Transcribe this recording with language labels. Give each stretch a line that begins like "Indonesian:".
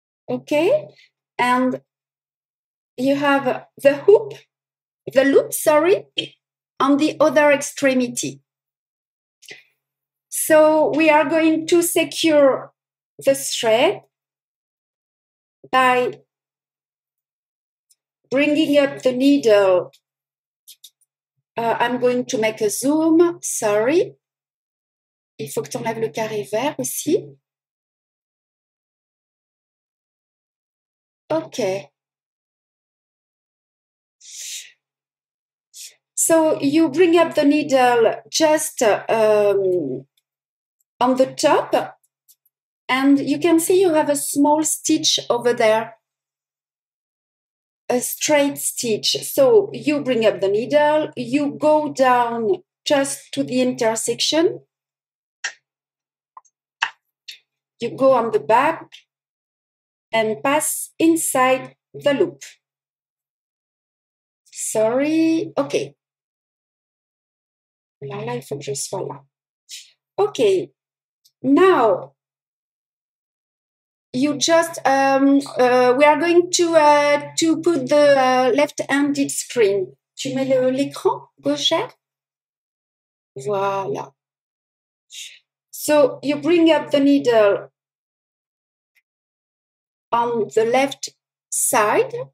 English: Okay, and you have the hoop, the loop, sorry, on the other extremity. So we are going to secure the thread by bringing up the needle. I'm going to make a zoom, sorry.
French: Il faut que tu enlèves le carré vert aussi. Okay.
English: So you bring up the needle just on the top, and you can see you have a small stitch over there, a straight stitch. So you bring up the needle, you go down just to the intersection, you go on the back and pass inside the loop. Sorry, okay.
French: Là, il faut que je sois là.
English: Okay, now you just we are going to put the left-handed screen.
French: Tu mets l'écran gauchère. Voilà.
English: So you bring up the needle on the left side.